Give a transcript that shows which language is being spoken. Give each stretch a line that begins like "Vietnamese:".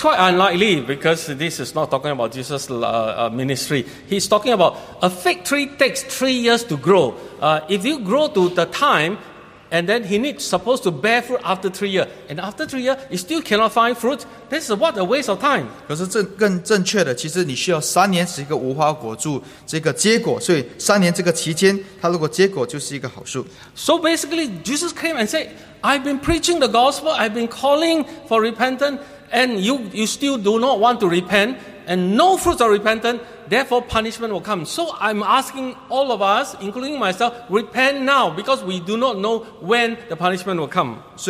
English: quite unlikely because this is not talking about Jesus' ministry. He's talking about a fig tree takes 3 years to grow. If you grow to the time, and then he needs supposed to bear fruit after 3 years. And after 3 years, you still cannot find fruit. This is what a waste of time.
Chinese: 可是更正确的，其实你需要三年使一个无花果树这个结果。所以三年这个期间，它如果结果就是一个好树。
English: So basically, Jesus came and said, I've been preaching the gospel, I've been calling for repentance, and you still do not want to repent, and no fruits of repentance, therefore punishment will come. So I'm asking all of us, including myself, repent now, because we do not know when the punishment will come.